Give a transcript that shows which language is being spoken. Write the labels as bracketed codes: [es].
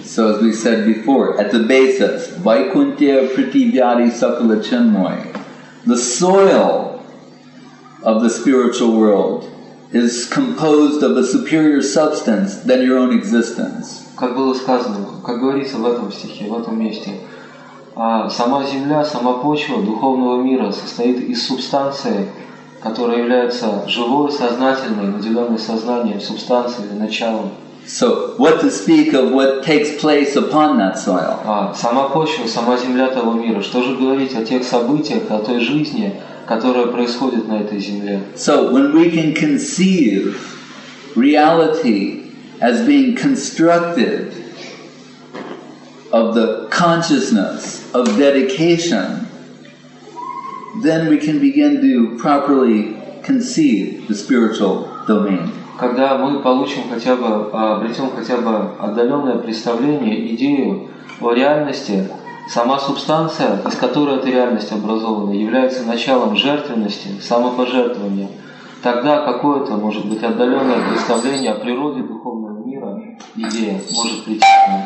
[en] So as we said before, at the basis, [sa] Vaikunthe Prithivyadi Sakala Chinmoy, [en] the soil of the spiritual world is composed of a superior substance than your own existence. [ru] Как было сказано, как говорится в этом стихе, в этом месте, сама земля, сама почва духовного мира состоит из субстанции, которая является живой, сознательной, наделенной сознанием, субстанцией, началом. [en] So, what to speak of what takes place upon that soil? [ru] Сама почва, сама земля того мира. Что же говорить о тех событиях, о той жизни, которая происходит на этой земле? [en] So, when we can conceive reality as being constructed of the consciousness of dedication, then we can begin to properly conceive the spiritual domain. [ru] Когда мы получим хотя бы, обретем хотя бы отдаленное представление, идею о реальности, сама субстанция, из которой эта реальность образована, является началом жертвенности, самопожертвования, тогда какое-то, может быть, отдаленное представление о природе духовного мира, идея, может прийти к нам.